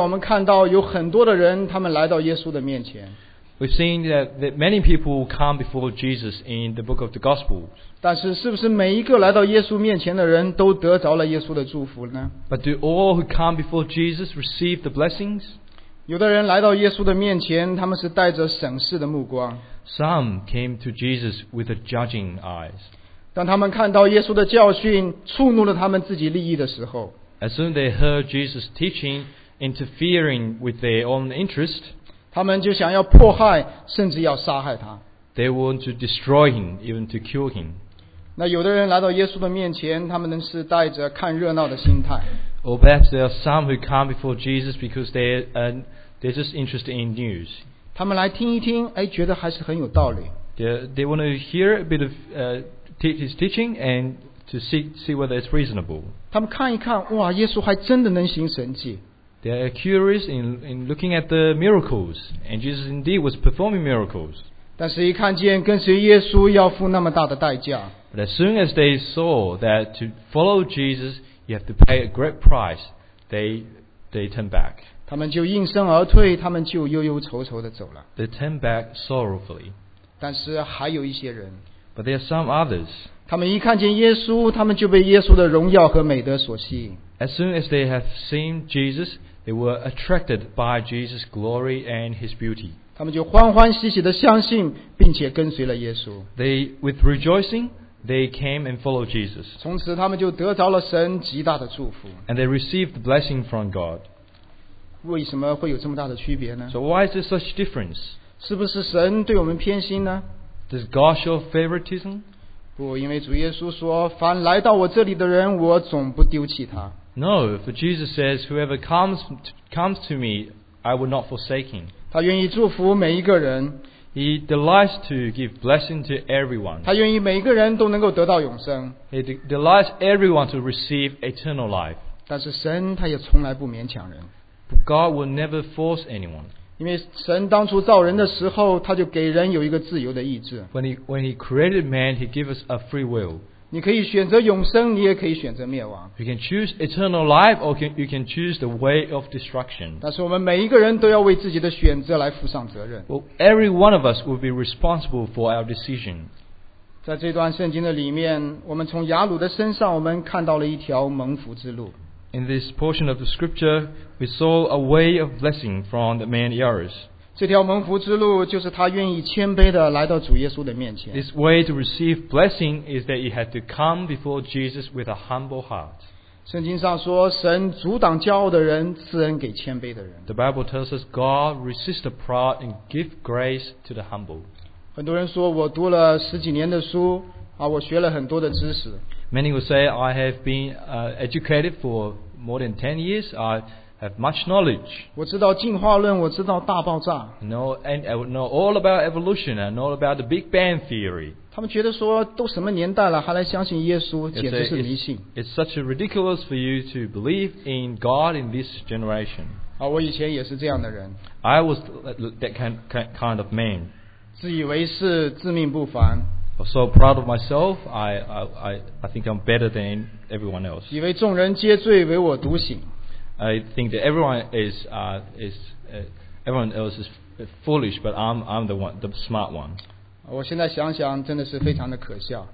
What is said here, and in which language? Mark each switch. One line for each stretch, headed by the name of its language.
English: we've seen that many people come before Jesus in the book of the Gospels. But do all who come before Jesus receive the blessings?
Chinese: 有的人来到耶稣的面前,
English: some came to Jesus with a judging eyes.
Chinese: 当他们看到耶稣的教训触怒了他们自己利益的时候，
English: As soon they heard Jesus teaching interfering with their own interest，
Chinese: 他们就想要迫害甚至要杀害他。
English: They want to destroy him, even to kill him。
Chinese: 那有的人来到耶稣的面前，他们是带着看热闹的心态。
English: Or perhaps there are some who come before Jesus because they're just interested in news.
Chinese: 他们来听一听，哎，觉得还是很有道理。
English: They want to hear a bit of his teaching and to see whether it's reasonable.
Chinese: 他们看一看，哇，耶稣还真的能行神迹。
English: They're curious in looking at the miracles, and Jesus indeed was performing miracles.
Chinese: 但是一看见跟随耶稣要付那么大的代价。
English: But as soon as they saw that to follow Jesus, you have to pay a great price, they turned back.
Chinese: 他们就应声而退，他们就忧忧愁愁地走了。
English: They turned back sorrowfully.
Chinese: 但是还有一些人。
English: But there are some others.
Chinese: 他们一看见耶稣，他们就被耶稣的荣耀和美德所吸引。
English: As soon as they have seen Jesus, they were attracted by Jesus' glory and his beauty.
Chinese: 他们就欢欢喜喜地相信并且跟随了耶稣。
English: They, with rejoicing, they came and followed Jesus.
Chinese: 从此他们就得到了神极大的祝福。
English: And they received the blessing from God.
Chinese: 为什么会有这么大的区别呢？
English: So why is there such difference?
Chinese: 是不是神对我们偏心呢？
English: Does God show favoritism?
Chinese: 不，因为主耶稣说，凡来到我这里的人，我总不丢弃他。
English: No, for Jesus says, whoever comes to me, I will not forsake him.
Chinese: 他愿意祝福每一个人。
English: He delights to give blessing to everyone.
Chinese: 他愿意每一个人都能够得到永生。
English: He delights everyone to receive eternal life.
Chinese: 但是神他也从来不勉强人。
English: But God will never force anyone.
Chinese: 因为神当初造人的时候，他就给人有一个自由的意志。
English: When he created man, he gave us a free will.
Chinese: 你可以选择永生，你也可以选择灭亡。
English: You can choose eternal life, or you can choose the way of destruction.
Chinese: 但是我们每一个人都要为自己的选择来负上责任。
English: Well, every one of us will be responsible for our decision.
Chinese: 在这段圣经的里面，我们从雅鲁的身上，我们看到了一条蒙福之路。
English: In this portion of the scripture, we saw a way of blessing from the man Jairus.
Chinese: 这条蒙福之路就是他愿意谦卑地来到主耶稣的面前。
English: This way to receive blessing is that you had to come before Jesus with a humble heart.
Chinese: 圣经上说，神阻挡骄傲的人，赐恩给谦卑的人。
English: The Bible tells us God resists the proud and gives grace to the humble.
Chinese: 很多人说，我读了十几年的书，我学了很多的知识。
English: Many will say I have been educated for more than 10 years. I have much knowledge.
Chinese: 我知道进化论，我知道大爆炸。
English: I know all about evolution. I know about the Big Bang theory.
Chinese: 他们觉得说都什么年代了，还来相信耶稣，简直是迷信。
English: It's such a ridiculous for you to believe in God in this generation.
Chinese: 我以前也是这样的人。
English: I was that kind of man.
Chinese: 自以为是，自命不凡。
English: So proud of myself, I think I'm better than everyone else.
Chinese: 以为众人皆醉，唯我独醒。
English: I think that everyone else is foolish, but I'm the one, the smart one.
Chinese: 我现在想想，真的是非常的可笑。